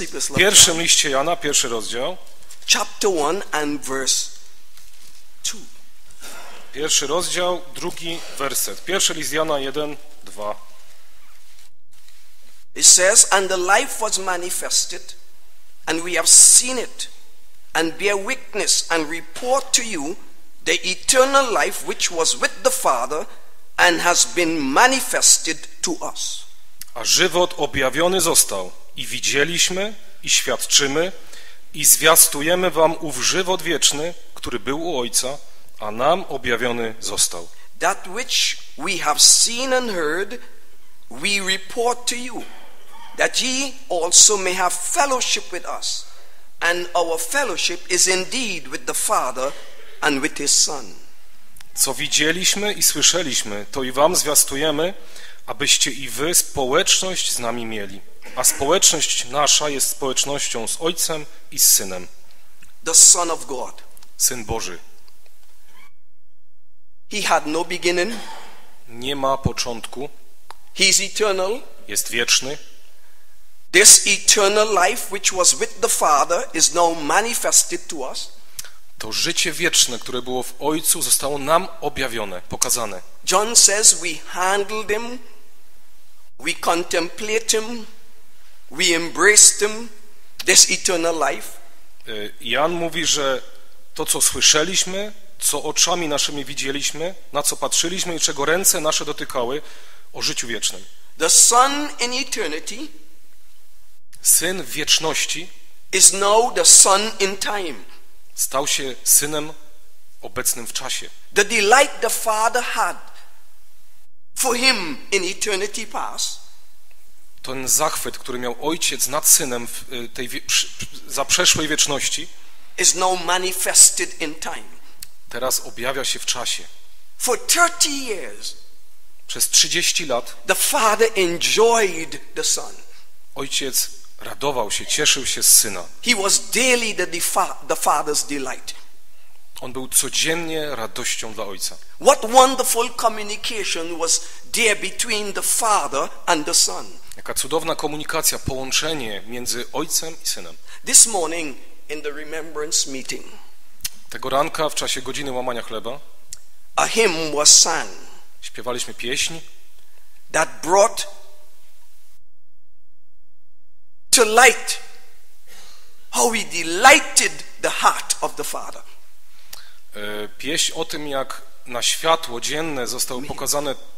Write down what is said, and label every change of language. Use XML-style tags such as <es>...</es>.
<pl>W pierwszym liście Jana, pierwszy rozdział.</pl> <en>Chapter 1 and verse 2.</en> <pl>Pierwszy rozdział, drugi werset. Pierwszy list Jana 1, 2.</pl> <en>It says, and the life was manifested, and we have seen it, and bear witness, and report to you the eternal life which was with the Father and has been manifested to us.</en> <pl>A żywot objawiony został, i widzieliśmy, i świadczymy, i zwiastujemy wam ów żywot wieczny, który był u Ojca, a nam objawiony został.</pl> <en>That which we have seen and heard, we report to you, that ye also may have fellowship with us, and our fellowship is indeed with the Father and with his Son.</en> <pl>Co widzieliśmy i słyszeliśmy, to i wam zwiastujemy, abyście i wy społeczność z nami mieli. A społeczność nasza jest społecznością z Ojcem i z Synem.</pl> <en>The Son of God.</en> <pl>Syn Boży.</pl> <en>He had no beginning.</en> <pl>Nie ma początku.</pl> <en>He is eternal.</en> <pl>Jest wieczny.</pl> <en>This eternal life which was with the Father is now manifested to us.</en> <pl>To życie wieczne, które było w Ojcu, zostało nam objawione, pokazane.</pl> <en>John says we handled him, we contemplate him, we embraced him, this eternal life.</en> <pl>Jan mówi, że to, co słyszeliśmy, co oczami naszymi widzieliśmy, na co patrzyliśmy i czego ręce nasze dotykały, o życiu wiecznym.</pl> <en>The Son in eternity,</en> <pl>Syn w wieczności,</pl> <en>is now the Son in time.</en> <pl>Stał się Synem obecnym w czasie.</pl> <en>The delight the Father had for him in eternity past,</en> <pl>ten zachwyt, który miał Ojciec nad Synem w tej za przeszłej wieczności,</pl> <en>is now manifested in time.</en> <pl>Teraz objawia się w czasie.</pl> <en>For 30 years,</en> <pl>przez 30 lat</pl> <en>the Father enjoyed the Son.</en> <pl>Ojciec radował się, cieszył się z Syna.</pl> <en>He was daily the Father's delight.</en> <pl>On był codziennie radością dla Ojca.</pl> <en>What wonderful communication was there between the Father and the Son.</en> <pl>Jaka cudowna komunikacja, połączenie między Ojcem i Synem.</pl> <en>This morning in the remembrance meeting,</en> <pl>tego ranka w czasie godziny łamania chleba,</pl> <en>a hymn was sung,</en> <pl>śpiewaliśmy pieśń,</pl> <en>that brought to light how we delighted the heart of the Father.</en> <pl>Pieśń o tym, jak na światło dzienne zostały pokazane.</pl>